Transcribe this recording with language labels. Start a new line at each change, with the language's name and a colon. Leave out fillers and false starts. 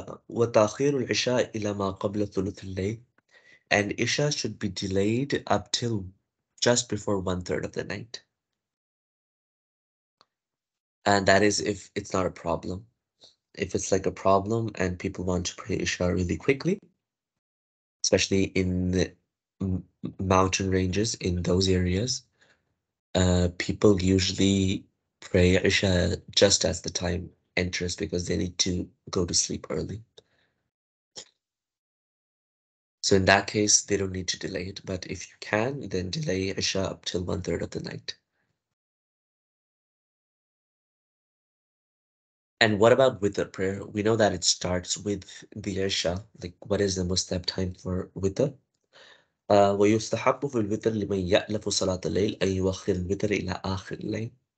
Arabic: وتأخير العشاء إلى ما قبل ثلث الليل.
English: And Isha should be delayed up till just before one third of the night. And that is if it's not a problem. If it's like a problem and people want to pray Isha really quickly, especially in the mountain ranges in those areas, people usually pray Isha just as the time enters because they need to go to sleep early. So in that case, they don't need to delay it. But if you can, then delay Isha up till one third of the night. And what about Witr prayer? We know that it starts with the Isha. Like, what is the mustahab time for Witr?
Arabic: ويستحب في الوتر لمن يألف صلاة الليل أن يؤخر الوتر إلى آخر الليل.